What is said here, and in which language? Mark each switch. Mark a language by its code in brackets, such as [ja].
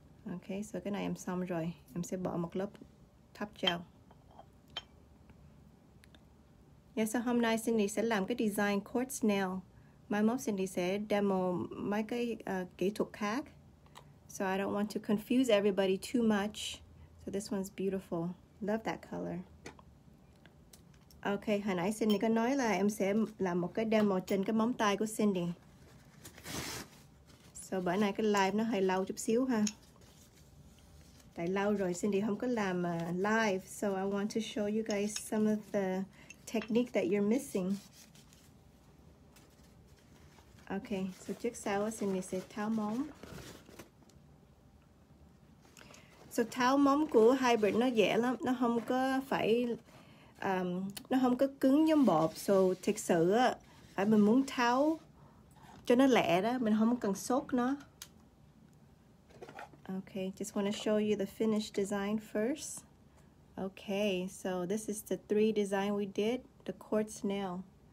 [vi] Okay, so cái này em xong rồi. Em sẽ bỏ một lớp top gel. Yeah, so hôm nay Cindy sẽ làm cái design quartz nail. Mai mốt Cindy sẽ demo mấy cái kỹ thuật khác. [en] So I don't want to confuse everybody too much. So this one's beautiful. Love that color. [vi] Okay, hồi nãy Cindy có nói là em sẽ làm một cái demo trên cái móng tay của Cindy. So, So bữa nay cái live nó hơi lâu chút xíu ha. Tại lâu rồi Cindy không có làm live, [en] so I want to show you guys some of the technique that you're missing. [vi] Okay, so trước sau Cindy sẽ tháo móng. So tháo móng của hybrid nó dễ lắm, nó không có phải nó không có cứng giống bột. So thực sự phải mình muốn tháo cho nó lẹ đó, mình không cần sốt nó. [en] Okay, just want to show you the finished design first. Okay, so this is the three design we did, the quartz nail.